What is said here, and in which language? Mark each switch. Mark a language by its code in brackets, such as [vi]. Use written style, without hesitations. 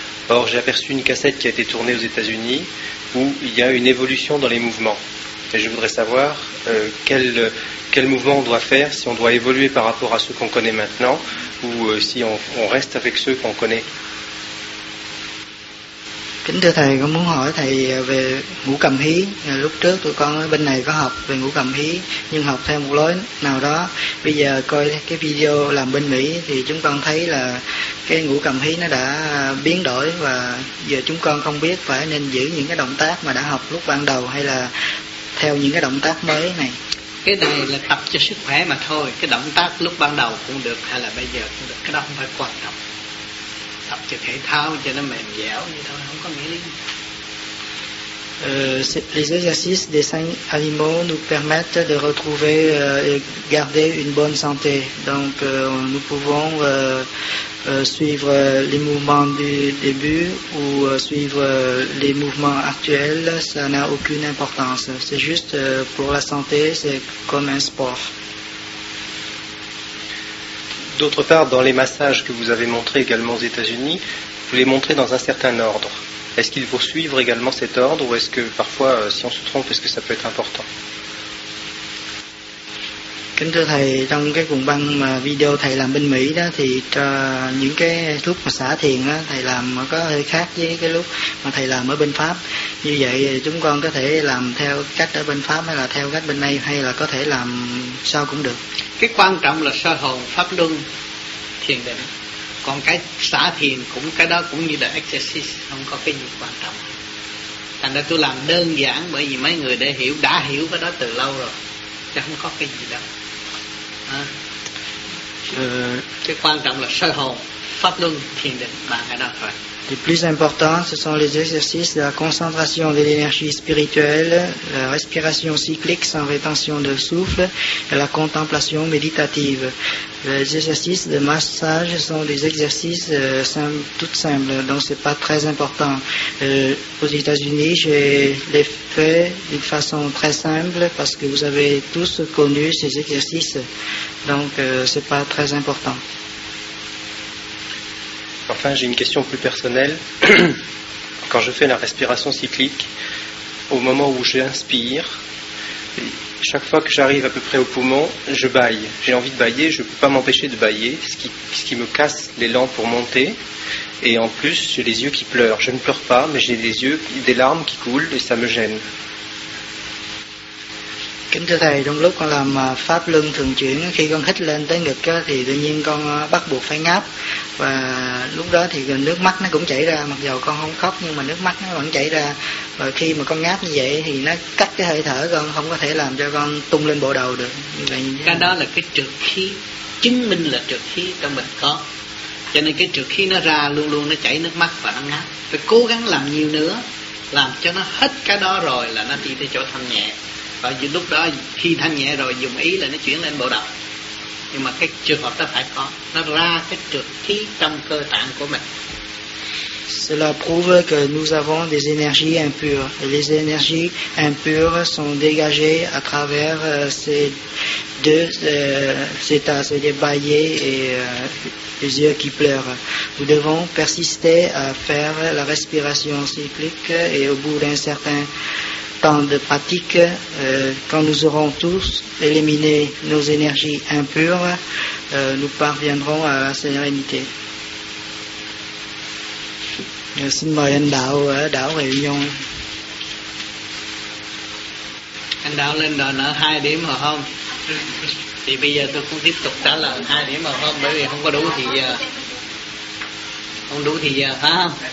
[fr] Or, j'ai aperçu une cassette qui a été tournée aux États-Unis où il y a une évolution dans les mouvements. Et je voudrais savoir quel mouvement on doit faire, si on doit évoluer par rapport à ceux qu'on connaît maintenant ou si on reste avec ceux qu'on connaît. [vi] Kính thưa Thầy, con muốn hỏi Thầy về ngũ cầm hí. Lúc trước tụi con ở bên này có học về ngũ cầm hí, nhưng học theo một lối nào đó. Bây giờ coi cái video làm bên Mỹ thì chúng con thấy là cái ngũ cầm hí nó đã biến đổi và giờ chúng con không biết phải nên giữ những cái động tác mà đã học lúc ban đầu hay là theo những cái động tác mới này. Cái này là tập cho sức khỏe mà thôi. Cái động tác lúc ban đầu cũng được hay là bây giờ cũng được. Cái đó không phải quan trọng. [fr] Les exercices des cinq animaux nous permettent de retrouver et garder une bonne santé. Donc nous pouvons suivre les mouvements du début ou suivre les mouvements actuels, ça n'a aucune importance. C'est juste pour la santé, c'est comme un sport. D'autre part, dans les massages que vous avez montrés également aux États-Unis, vous les montrez dans un certain ordre. Est-ce qu'il faut suivre également cet ordre ou est-ce que parfois, si on se trompe, est-ce que ça peut être important? [vi] Kính thưa Thầy, trong cái cuộn băng mà video Thầy làm bên Mỹ đó thì những cái thuốc mà xả thiền đó, Thầy làm có hơi khác với cái lúc mà Thầy làm ở bên Pháp. Như vậy chúng con có thể làm theo cách ở bên Pháp hay là theo cách bên đây hay là có thể làm sao cũng được. Cái quan trọng là soi hồn, pháp luân, thiền định. Còn cái xả thiền cũng cái đó cũng như là exercise, không có cái gì quan trọng. Thành ra tôi làm đơn giản bởi vì mấy người đã hiểu cái đó từ lâu rồi. Chứ không có cái gì đâu. Cái quan trọng là soi hồn, pháp luân, thiền định, bạn hãy đọc rồi. [fr] Les plus importants, ce sont les exercices de la concentration de l'énergie spirituelle, la respiration cyclique sans rétention de souffle et la contemplation méditative. Les exercices de massage sont des exercices tout simples, donc c'est pas très important. Aux États-Unis, j'ai les fait d'une façon très simple parce que vous avez tous connu ces exercices, donc c'est pas très important. Enfin, j'ai une question plus personnelle. Quand je fais la respiration cyclique, au moment où j'inspire, chaque fois que j'arrive à peu près au poumon, je bâille. J'ai envie de bâiller, je ne peux pas m'empêcher de bâiller, ce qui me casse l'élan pour monter. Et en plus, j'ai les yeux qui pleurent. Je ne pleure pas, mais j'ai les yeux, des larmes qui coulent et ça me gêne. [vi] Kính thưa thầy, trong lúc con làm pháp luân thường chuyển, khi con hít lên tới ngực á, thì tự nhiên con bắt buộc phải ngáp, và lúc đó thì nước mắt nó cũng chảy ra, mặc dù con không khóc nhưng mà nước mắt nó vẫn chảy ra, và khi mà con ngáp như vậy thì nó cắt cái hơi thở con, không có thể làm cho con tung lên bộ đầu được. Vậy cái đó là cái trược khí, chứng minh là trược khí trong mình có, cho nên cái trược khí nó ra luôn luôn nó chảy nước mắt và nó ngáp, phải cố gắng làm nhiều nữa, làm cho nó hết cái đó rồi là nó đi tới chỗ thanh nhẹ. Và lúc đó khi thanh nhẹ rồi dùng ý là nó chuyển lên bộ đầu. Nhưng mà cái trường hợp đó phải có, nó ra cái trực khí trong cơ tạng của mình. [fr] Cela prouve que nous avons des énergies impures. Et les énergies impures sont dégagées à travers ces deux états, c'est-à-dire bâiller et les yeux qui pleurent. Nous devons persister à faire la respiration cyclique et au bout d'un certain temps de pratique, quand nous aurons tous éliminé nos énergies impures, nous parviendrons à la sérénité. [vi] Xin mời anh Đạo ở đảo Réunion. Anh Đạo lên đòi nợ 2 điểm rồi không? Thì bây giờ tôi cũng tiếp tục trả lời 2 điểm rồi không? Bởi vì không có đủ thì giờ. Không đủ thì giờ, phải không?